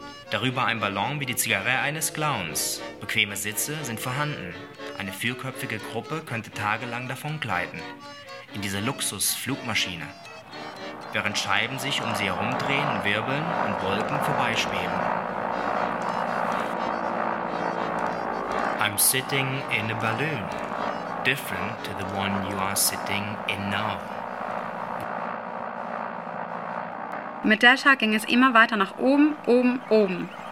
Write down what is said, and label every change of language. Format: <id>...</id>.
<de>Darüber ein Ballon wie die Zigarre eines Clowns, bequeme Sitze sind vorhanden, eine vierköpfige Gruppe könnte tagelang davon gleiten, in dieser Luxus-Flugmaschine. Während Scheiben sich um sie herumdrehen, wirbeln und Wolken vorbeischweben.</de> <en>I'm sitting in a balloon, different to the one you are sitting in now.</en> <de>Mit Delsha ging es immer weiter nach oben, oben, oben.</de>